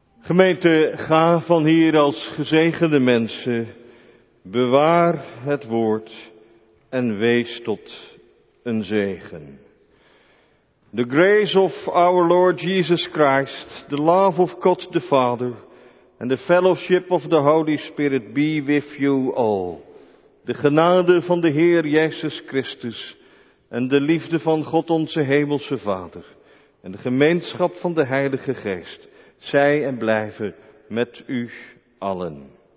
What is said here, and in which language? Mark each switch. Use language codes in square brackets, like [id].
[nl] Gemeente, ga van hier als gezegende mensen. Bewaar het woord en wees tot een zegen. [en] The grace of our Lord Jesus Christ, the love of God the Father, and the fellowship of the Holy Spirit be with you all. [nl] De genade van de Heer Jezus Christus en de liefde van God onze hemelse Vader en de gemeenschap van de Heilige Geest zij en blijven met u allen.